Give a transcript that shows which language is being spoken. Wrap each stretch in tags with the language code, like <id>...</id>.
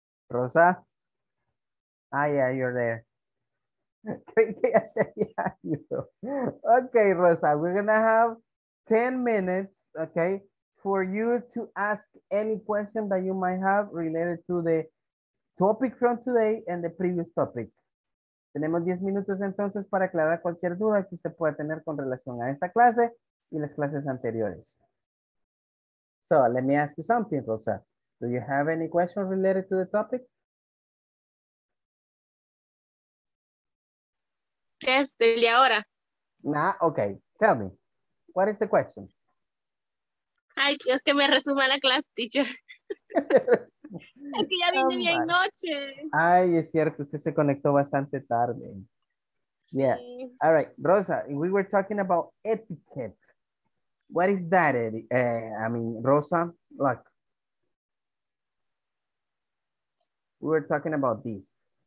<en>Rosa? Ah, yeah, you're there. Okay, Rosa, we're gonna have 10 minutes, okay, for you to ask any question that you might have related to the topic from today and the previous topic.</en> <es>Tenemos 10 minutos entonces para aclarar cualquier duda que usted pueda tener con relación a esta clase y las clases anteriores.</es> <en>So, let me ask you something, Rosa. Do you have any questions related to the topics? Yes,</en> <es>del día ahora.</es> <en>Nah, okay. Tell me, what is the question?</en> <es>Ay, Dios, que me resuma la clase, teacher. Es que ya viene bien noche. Ay, es cierto, usted se conectó bastante tarde. Sí.</es> <en>Yeah. All right, Rosa, we were talking about etiquette. What is that, Eddie? Rosa, look. We were talking about this.</en>